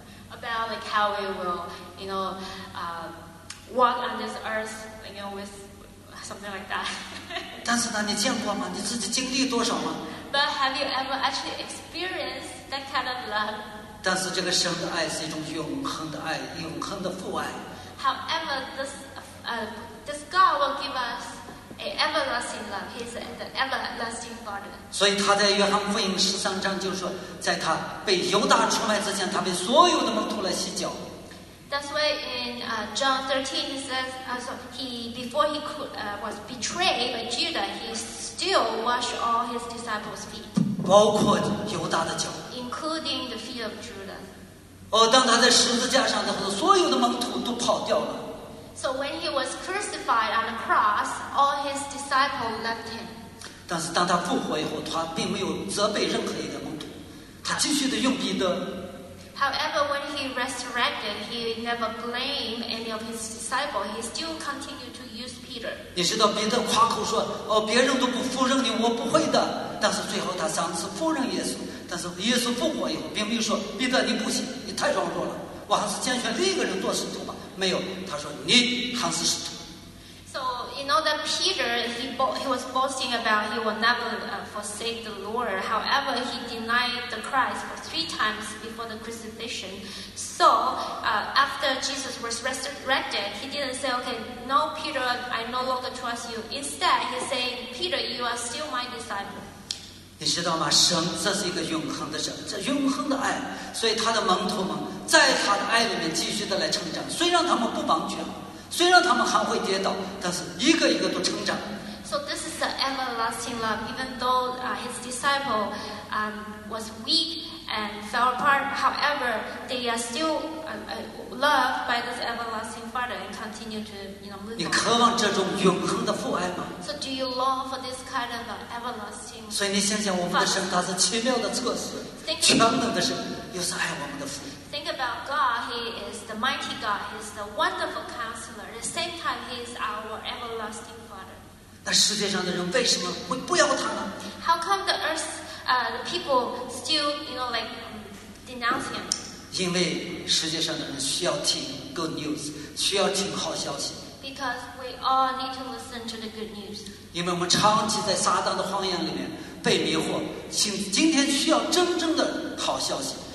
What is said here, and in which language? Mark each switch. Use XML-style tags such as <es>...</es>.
<en>About like how we will, you know, walk on this earth, you know, with something like that.</en> <zh>但是呢，你见过吗？你自己经历多少吗</zh> <en>？But have you ever actually experienced that kind of love?</en> <zh>但是这个神的爱是一种永恒的爱，永恒的父爱。</zh> <en>However, this God will give us. Everlasting love. He's the everlasting Father.</en> <zh>所以他在约翰福音十三章就说，在他被犹大出卖之前，他被所有的门徒来洗脚。</zh> <en>That's why in John 13 he says, also he before he could was betrayed by Judah, he still washed all his disciples' feet.</en> <zh>包括犹大的脚。</zh> <en>Including the feet of Judah.</en> <zh>当他在十字架上的时候，所有的门徒都跑掉了。</zh> <en>So when he was crucified on the cross, all his disciples left him.</en> <zh>但是当他复活以后，他并没有责备任何一个门徒。他继续的用彼得。</zh> <en>However, when he resurrected, he never blamed any of his disciples. He still continued to use Peter.</en> <zh>你知道彼得夸口说，哦，别人都不服认你，我不会的。但是最后他三次否认耶稣，但是耶稣复活以后，并没有说彼得你不行，你太软弱了，我还是拣选另一个人做使徒吧。没有，他说你还是使徒。</zh> <en>You know that Peter, he was boasting about he will never forsake the Lord. However, he denied the Christ for 3 times before the crucifixion. So, after Jesus was resurrected, he didn't say, okay, no, Peter, I no longer trust you. Instead, he said, Peter, you are still my disciple.</en> <zh>你知道吗？神，这是一个永恒的神，这永恒的爱。所以他的门徒们在他的爱里面继续的来成长，虽然他们不完全。虽然他们还会跌倒，但是一个一个都成长。</zh> <en>So this is the everlasting love. Even though his disciple was weak and fell apart, however, they are still loved by this everlasting Father and continue to, you know, move.</en> <zh>你渴望这种永恒的父爱吗</zh> <en>？So do you long for this kind of everlasting?</en> <zh>所以你想想，我们的神他是奇妙的测试，全能的神，又是爱我们的父。</zh> <en>Think about God. He is the mighty God. He is the wonderful Counselor. At the same time, He is our everlasting Father.</en> <zh>那世界上的人为什么会不要他呢</zh> <en>？How come the earth, the people still, you know, like denounce him?</en> <zh>因为世界上的人需要听</zh> <en>good news，</en> <zh>需要听好消息。</zh> <en>Because we all need to listen to the good news.</en> <zh>因为我们长期在撒旦的谎言里面被迷惑，今天需要真正的好消息。</zh>